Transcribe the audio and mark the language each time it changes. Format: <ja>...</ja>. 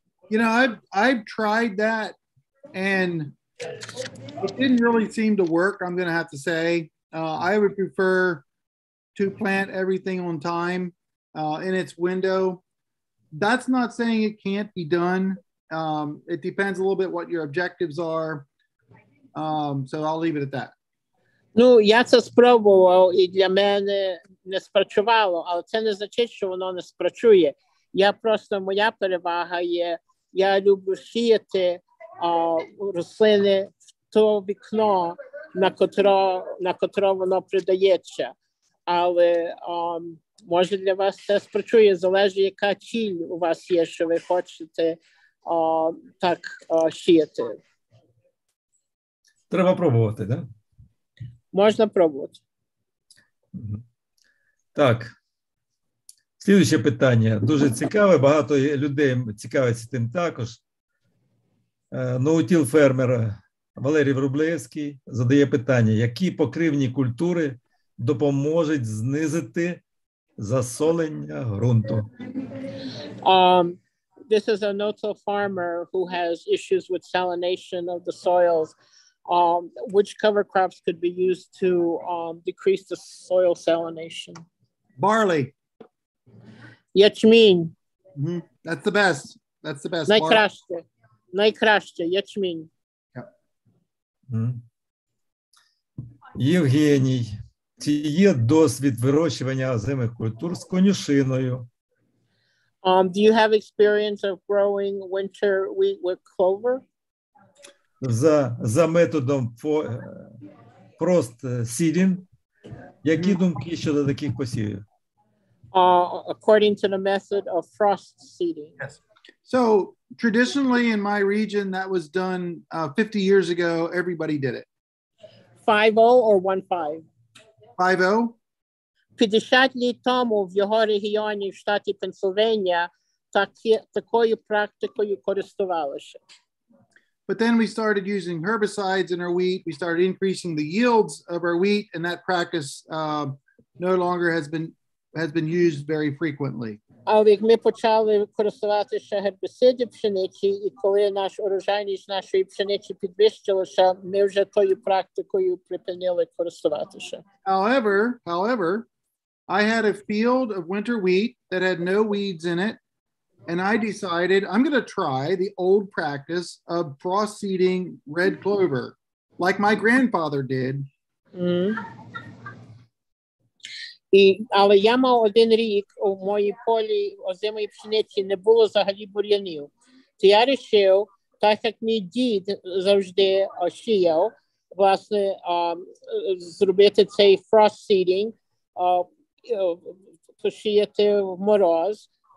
<en>You know, I've tried that and it didn't really seem to work, I'm going to have to say. I would prefer to plant everything on time in its window. That's not saying it can't be done. It depends a little bit what your objectives are. So I'll leave it at that.</en> <uk>Ну, я це спробував, і для мене не спрацювало, але це не значить, що воно не спрацює. Я просто, моя перевага є, я люблю сіяти рослини в то вікно, на котре воно придається. Але може для вас це спрацює, залежить, яка ціль у вас є, що ви хочете так сіяти. Треба пробувати, да? Можна пробувати. Так. Слідуюче питання. Дуже цікаве. Багато людей цікавиться тим також. Ноутіл фермер Валерій Врублевський задає питання. Які покривні культури допоможуть знизити засолення ґрунту?</uk> <en>This is a no-till farmer who has issues with salination of the soils. Which cover crops could be used to decrease the soil salination? Barley.</en> <uk>Ячмінь.</uk> <en>Mm-hmm. That's the best. That's the best.</en> <uk>Найкраще. Найкраще. Ячмінь. Євгеній, чи є досвід вирощування озимих культур з конюшиною?</uk> <en>Do you have experience of growing winter wheat with clover?</en> <uk>За методом frost seeding. Які думки щодо таких посівів?</uk> <en>According to the method of frost seeding. Yes. So, traditionally in my region that was done 50 years ago, everybody did it. 5-0 or 1-5? 5-0.</en> <uk>50 літ тому в його регіоні в штаті Пенсильвания такою практикою користувалися.</uk> <en>But then we started using herbicides in our wheat. We started increasing the yields of our wheat, and that practice no longer has been used very frequently.</en> <uk>Але ми почали користуватися гербіцидами пшениці, і коли наш урожайність нашої пшениці підвищилася, ми вже тою практикою припинили користуватися.</uk> <en>However, I had a field of winter wheat that had no weeds in it. And I decided I'm going to try the old practice of frost seeding red clover, like my grandfather did.</en> <uk>Але я мав один рік у моїй полі озимої пшениці не було взагалі бур'янів. То я рішив, так як мій дід завжди сіяв, власне, зробити цей frost seeding, посіяти в мороз.</uk>